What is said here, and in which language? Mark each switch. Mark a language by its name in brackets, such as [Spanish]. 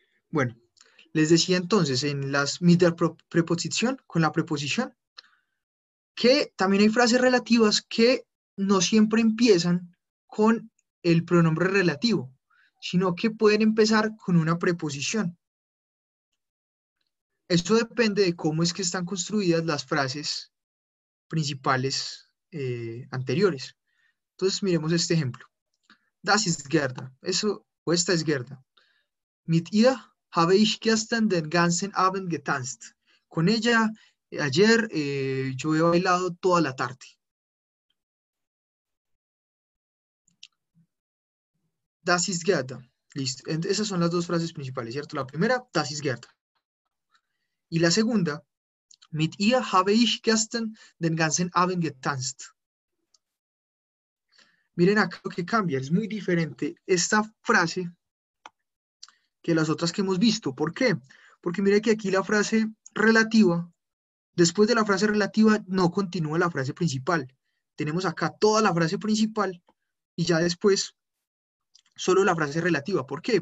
[Spanish] Bueno, les decía entonces en las [German] mit der [Spanish] preposición con la preposición que también hay frases relativas que no siempre empiezan con el pronombre relativo, sino que pueden empezar con una preposición. Esto depende de cómo es que están construidas las frases principales anteriores. Entonces, miremos este ejemplo. [German] Das ist Gerda. [Spanish] Eso, o esta es Gerda. [German] Mit ihr habe ich gestern den ganzen Abend getanzt. [Spanish] Con ella, ayer, yo he bailado toda la tarde. [German] Das ist Gerda. [Spanish] Listo. Esas son las dos frases principales, ¿cierto? La primera, [German] das ist Gerda. [Spanish] Y la segunda, [German] mit ihr habe ich gestern den ganzen Abend getanzt. [Spanish] Miren acá lo que cambia. Es muy diferente esta frase que las otras que hemos visto. ¿Por qué? Porque mire que aquí la frase relativa, después de la frase relativa, no continúa la frase principal. Tenemos acá toda la frase principal y ya después solo la frase relativa. ¿Por qué?